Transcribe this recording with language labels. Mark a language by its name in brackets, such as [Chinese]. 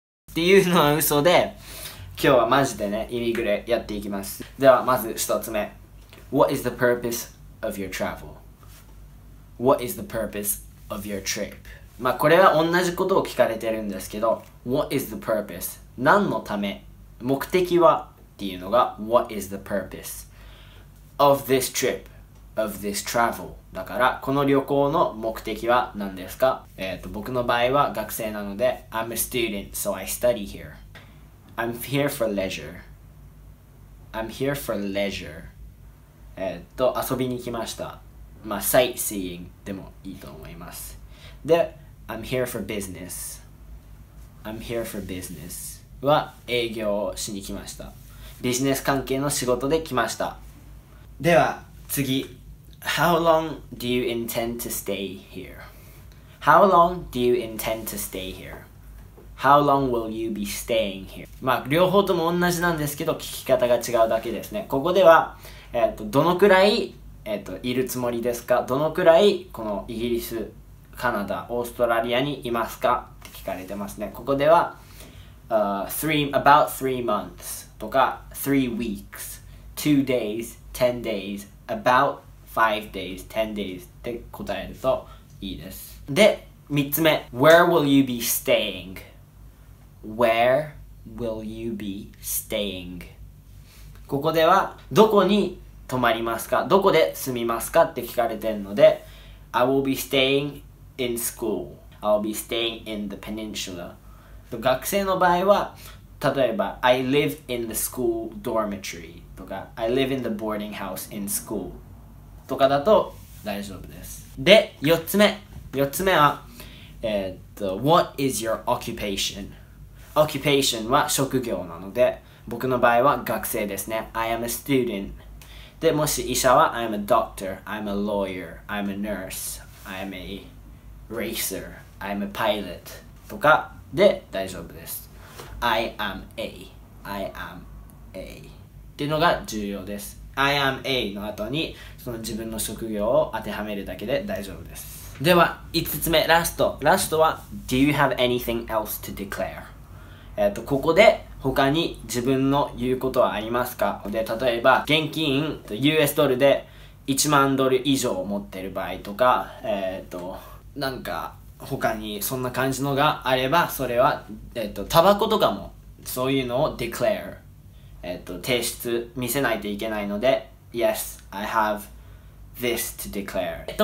[Japanese] っていうのは嘘で、今日はマジでね、イミグレやっていきます。ではまず一つ目。 [English] What is the purpose of your travel? What is the purpose? Of your trip. [Japanese] まあこれは同じことを聞かれてるんですけど、 [English] What is the purpose? [Japanese] 何のため、目的はっていうのが [English] What is the purpose of this trip? Of this travel? [Japanese] だからこの旅行の目的は何ですか。僕の場合は学生なので [English] I'm a student, so I study here. I'm here for leisure. I'm here for leisure. [Japanese] 遊びに来ました。まあ、sightseeing でもいいと思います。 [English] で、I'm here for business. I'm here for business. [Japanese] は営業をしに来ました。ビジネス関係の仕事で来ました。では、次。 [English] How long do you intend to stay here? How long do you intend to stay here? How long will you be staying here? [Japanese] まあ、両方とも同じなんですけど、聞き方が違うだけですね。ここでは、どのくらいいるつもりですか、どのくらいこのイギリス、カナダ、オーストラリアにいますかって聞かれてますね。ここでは、 [English] about 3 months [Japanese] とか [English] 3 weeks 2 days 10 days [Japanese] about 5 days 10 days って答えるといいです。 [English] で、 [Japanese] 3つ目、 [English] Where will you be staying? Where will you be staying? [Japanese] ここではどこに泊まりますか、どこで住みますかって聞かれてるので、 [English] I will be staying in school. I'll be staying in the peninsula. [Japanese] 学生の場合は例えば [English] I live in the school dormitory [Japanese] とか [English] I live in the boarding house in school [Japanese] とかだと大丈夫です。で、4つ目は [English] What is your occupation? [Japanese] Occupation は職業なので、僕の場合は学生ですね。 [English] I am a student [Japanese] で、もし医者は [English] I'm a doctor, I'm a lawyer, I'm a nurse, I'm a racer, I'm a pilot とかで大丈夫です。 I am a [Japanese] っていうのが重要です。 [English] I am a [Japanese] の後にその自分の職業を当てはめるだけで大丈夫です。では5つ目、ラストは [English] Do you have anything else to declare? [Japanese] ここで他に自分の言うことはありますか。で、例えば現金 US ドルで1万ドル以上持ってる場合とか、なんか他にそんな感じのがあれば、それはタバコとかもそういうのを declare 提出見せないといけないので、 [English] Yes, I have this to declare。